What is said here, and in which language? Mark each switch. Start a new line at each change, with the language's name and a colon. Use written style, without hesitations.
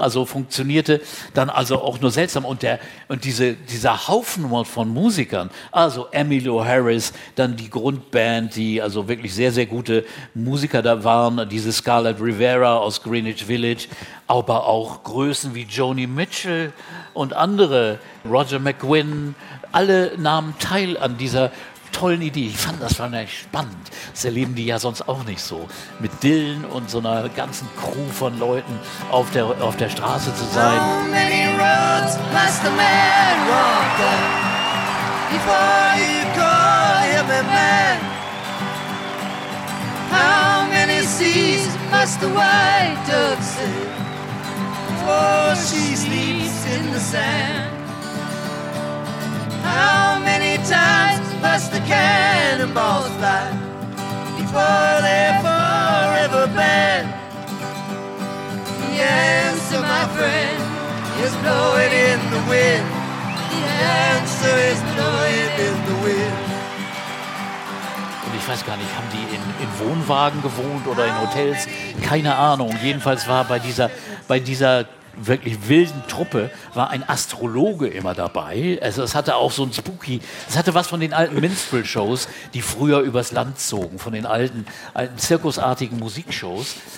German: Also funktionierte dann also auch nur seltsam. Und dieser Haufen von Musikern, also Emmylou Harris, dann die Grundband, die also wirklich sehr, sehr gute Musiker da waren, diese Scarlett Rivera aus Greenwich Village, aber auch Größen wie Joni Mitchell und andere, Roger McGuinn, alle nahmen teil an dieser tollen Idee. Ich fand das wahrscheinlich spannend. Das erleben die ja sonst auch nicht so. Mit Dylan und so einer ganzen Crew von Leuten auf der Straße zu sein.
English: How many roads must a man walk on before you call him a man? How many seas must the white dove sail before she sleeps in the sand? How many times must the cannonballs fly before they're forever banned? The answer, my friend, is blowing in the wind. The answer is blowing in the wind.
German: Ich weiß gar nicht, haben die in Wohnwagen gewohnt oder in Hotels? Keine Ahnung. Jedenfalls war bei dieser wirklich wilden Truppe war ein Astrologe immer dabei. Also es hatte auch so ein Spooky, es hatte was von den alten Minstrel-Shows, die früher übers Land zogen, von den alten zirkusartigen Musikshows.